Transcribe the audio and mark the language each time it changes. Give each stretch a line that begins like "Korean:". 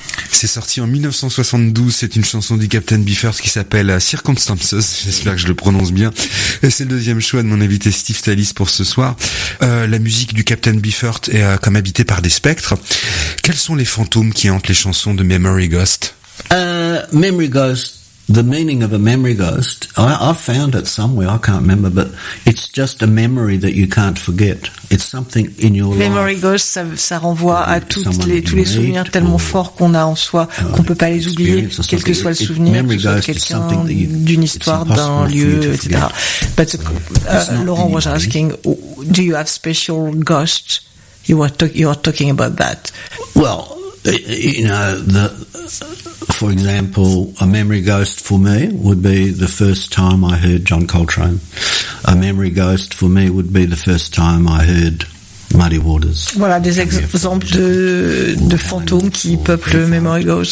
French: C'est sorti en 1972, c'est une chanson du Captain Beefheart qui s'appelle Circumstances, j'espère que je le prononce bien. Et c'est le deuxième choix de mon invité Steve Talis pour ce soir. La musique du Captain Beefheart est comme habitée par des spectres. Quels sont les fantômes qui hantent les chansons de Memory Ghost?
English: Memory Ghost, the meaning of a memory ghost, I found it somewhere, I can't remember, but it's just a memory that you can't forget. It's something in your life.
French: Memory ghost, ça renvoie à tous les souvenirs tellement forts qu'on a en soi, qu'on peut pas les oublier, quel que soit le souvenir, que ce soit quelqu'un d'une histoire, d'un lieu, etc.
English: But Laurent was asking, do you have special ghosts? You are talking about that. Well, you know, the, for example, a memory ghost for me would be the first time I heard John Coltrane. A memory ghost for me would be the first time I heard Muddy Waters.
French: Voilà, des exemples de fantômes qui peuplent Memory Ghost.